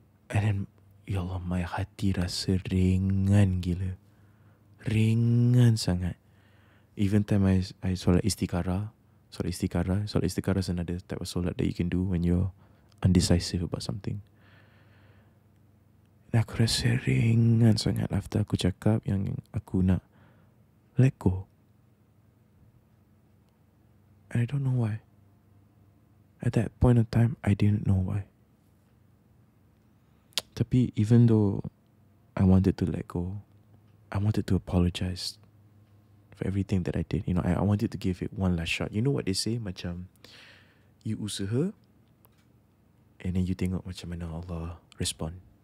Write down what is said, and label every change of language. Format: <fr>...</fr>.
<en>And then,</en> <ms>Ya Allah, my hati rasa ringan gila. Ringan sangat.</ms> <en>Even time I</en> <ms>solat istikharah.</ms> <en>Solat istikharah is another type of solat that you can do when you're undecisive about something. And</en> <ms>aku rasa ringan sangat</ms> <en>after</en> <ms>aku cakap yang aku nak</ms> <en>let go. And I don't know why. At that point of time, I didn't know why.</en> <ms>Tapi</ms> <en>even though I wanted to let go, I wanted to apologize for everything that I did. You know, I wanted to give it one last shot. You know what they say?</en> <ms>Macam,</ms> <en>you</en> <ms>usaha,</ms> <en>and then you</en> <ms>tengok macam mana</ms> <en>Allah respond.</en>